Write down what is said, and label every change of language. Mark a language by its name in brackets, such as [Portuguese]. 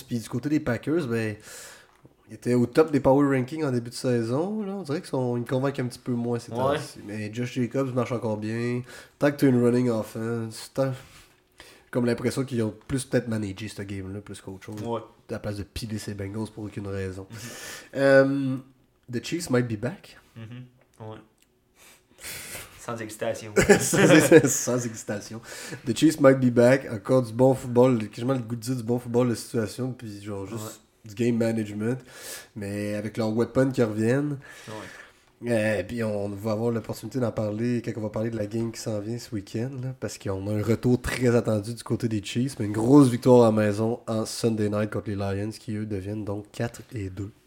[French] Puis du côté des Packers, ben, il était au top des power rankings en début de saison. Là, on dirait qu'ils me convainquent un petit peu moins cette année. Mais Josh Jacobs marche encore bien. Tant que tu es une running offense, tant... comme l'impression qu'ils ont plus peut-être managé ce game-là, plus qu'autre chose. Ouais. À la place de piler ces Bengals pour aucune raison. [English] The Chiefs might be back. [French] Sans excitation. [English] The Chiefs might be back. [French] Encore du bon football. Quasiment le goût de dire du bon football, la situation. Puis genre juste. Ouais. Du game management, mais avec leurs weapons qui reviennent. Ouais. Et puis on va avoir l'opportunité d'en parler quand on va parler de la game qui s'en vient ce week-end, là, parce qu'on a un retour très attendu du côté des Chiefs, mais une grosse victoire à maison en Sunday night contre les Lions, qui eux deviennent donc 4-2.